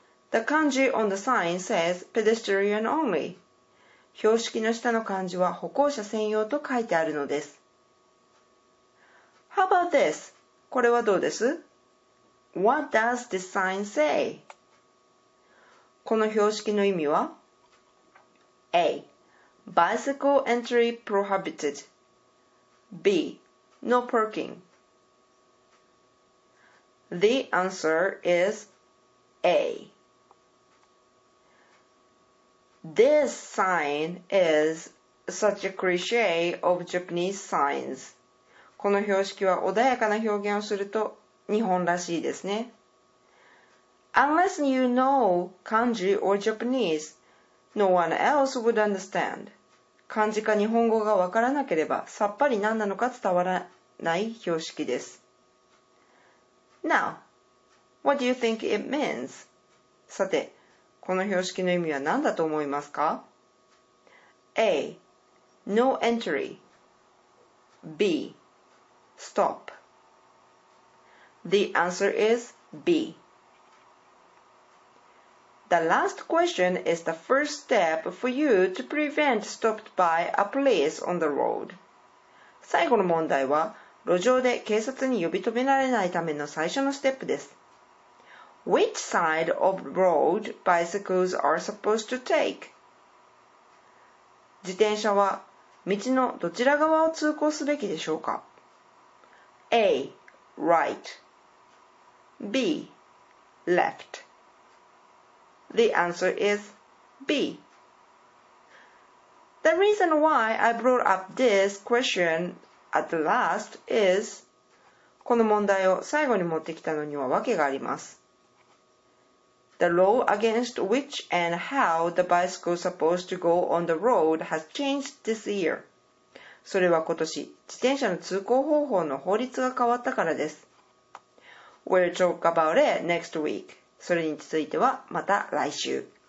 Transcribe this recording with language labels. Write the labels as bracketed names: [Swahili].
[English] The kanji on the sign says pedestrian only. [Japanese] 標識の下の漢字は歩行者専用と書いてあるのです。 [English] How about this? [Japanese] これはどうです? [English] What does this sign say? [Japanese] この標識の意味は? [English] A. Bicycle entry prohibited. B. No parking. The answer is A. This sign is such a cliché of Japanese signs. [Japanese] この標識は穏やかな表現をすると日本らしいですね。 [English] Unless you know kanji or Japanese, no one else would understand. [Japanese] 漢字か日本語がわからなければさっぱり何なのか伝わらない標識です。 [English] Now, what do you think it means? [Japanese] さて、この標識の意味は何だと思いますか? [English] A. No entry. B. Stop. The answer is B. The last question is the first step for you to prevent stopped by a police on the road. [Japanese] 最後の問題は、路上で警察に呼び止められないための最初のステップです。 [English] Which side of road bicycles are supposed to take? [Japanese] 自転車は道のどちら側を通行すべきでしょうか? [English] A. Right. B. Left. The answer is B. The reason why I brought up this question at the last is [Japanese] この問題を最後に持ってきたのには訳があります。 [English] The law against which and how the bicycle is supposed to go on the road has changed this year. [Japanese] それは今年、自転車の通行方法の法律が変わったからです。 [English] We'll talk about it next week. [Japanese] それについてはまた来週。